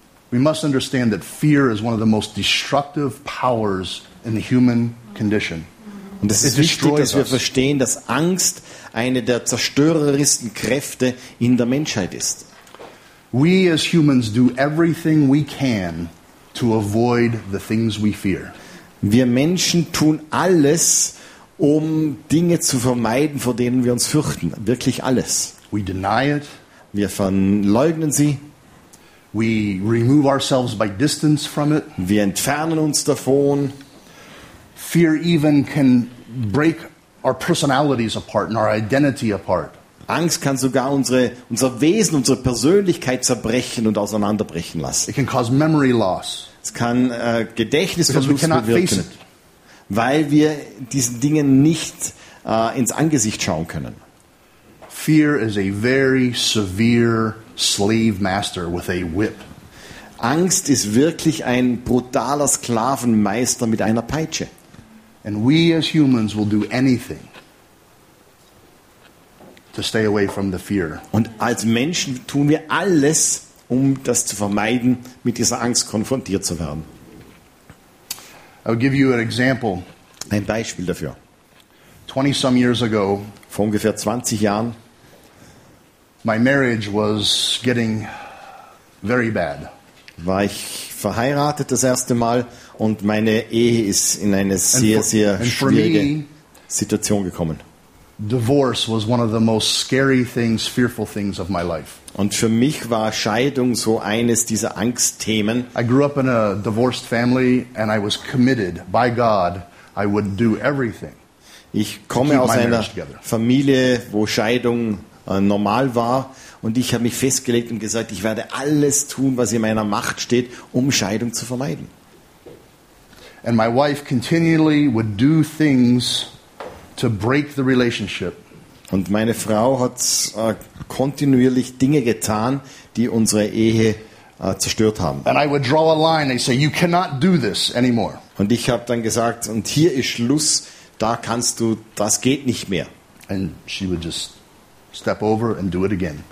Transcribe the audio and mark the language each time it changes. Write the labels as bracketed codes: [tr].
[en] We must understand that fear is one of the most destructive powers in the human condition. [de] Und es ist wichtig, dass wir verstehen, dass Angst eine der zerstörerischsten Kräfte in der Menschheit ist. [en] We as humans do everything we can to avoid the things we fear. [de] Wir Menschen tun alles, um Dinge zu vermeiden, vor denen wir uns fürchten. Wirklich alles. [en] We deny it. [de] Wir verleugnen sie. [en] We remove ourselves by distance from it. [de] Wir entfernen uns davon. [en] Fear even can break our personalities apart and our identity apart. [de] Angst kann sogar unser Wesen, unsere Persönlichkeit zerbrechen und auseinanderbrechen lassen. [en] It can cause memory loss. [de] Es kann Gedächtnisverlust bewirken. [en] Because we cannot face it. [de] Weil wir diesen Dingen nicht ins Angesicht schauen können. [en] Fear is a very severe slave master with a whip. [de] Angst ist wirklich ein brutaler Sklavenmeister mit einer Peitsche. [en] And we as humans will do anything to stay away from the fear. [de] Und als Menschen tun wir alles, um das zu vermeiden, mit dieser Angst konfrontiert zu werden. [en] I'll give you an example. [de] Ein Beispiel dafür. [en] 20 some years ago, [de] vor ungefähr 20 Jahren, [en] my marriage was getting very bad. [de] War ich verheiratet das erste Mal und meine Ehe ist in eine sehr, sehr schwierige Situation gekommen. [en] Divorce was one of the most scary things, fearful things of my life. [de] Und für mich war Scheidung so eines dieser Angstthemen. [en] I grew up in a divorced family and I was committed by God, I would do everything. [de] Ich komme aus einer Familie, wo Scheidung normal war. Und ich habe mich festgelegt und gesagt, ich werde alles tun, was in meiner Macht steht, um Scheidung zu vermeiden. [en] And my wife continually would do things to break the relationship. [de] Und meine Frau hat kontinuierlich Dinge getan, die unsere Ehe zerstört haben. [en] And I would draw a line and say, you cannot do this anymore. [de] Und ich habe dann gesagt, und hier ist Schluss, da kannst du, das geht nicht mehr. [en] And she would just step over and do it again.